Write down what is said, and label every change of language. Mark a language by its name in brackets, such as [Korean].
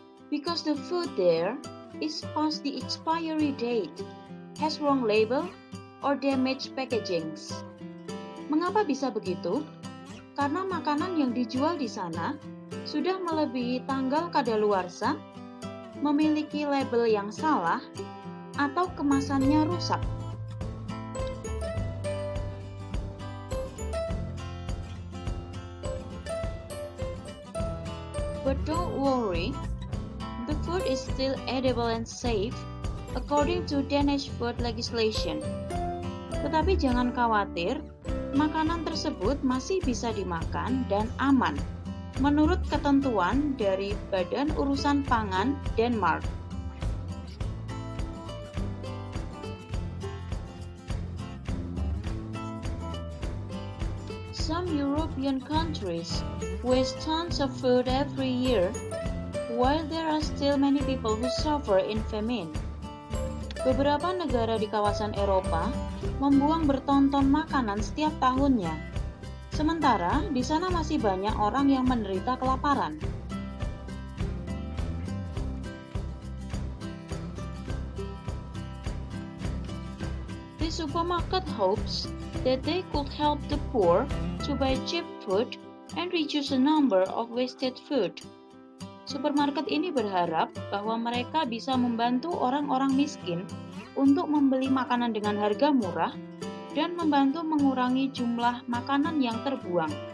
[English] Because the food there is past the expiry date, has wrong label, or damaged packaging. [Indonesian] Mengapa bisa begitu? Karena makanan yang dijual di sana sudah melebihi tanggal kadaluarsa, memiliki label yang salah, atau kemasannya rusak. [English] But don't worry, the food is still edible and safe according to Danish food legislation. [Indonesian] Tetapi jangan khawatir, makanan tersebut masih bisa dimakan dan aman menurut ketentuan dari Badan Urusan Pangan Denmark. [English] Some European countries waste tons of food every year, while there are still many people who suffer in famine. [Indonesian] Beberapa negara di kawasan Eropa membuang bertonton makanan setiap tahunnya. Sementara, di sana masih banyak orang yang menderita kelaparan. [English] The supermarket hopes that they could help the poor to buy cheap food and reduce the number of wasted food. [Indonesian] Supermarket ini berharap bahwa mereka bisa membantu orang-orang miskin untuk membeli makanan dengan harga murah dan membantu mengurangi jumlah makanan yang terbuang.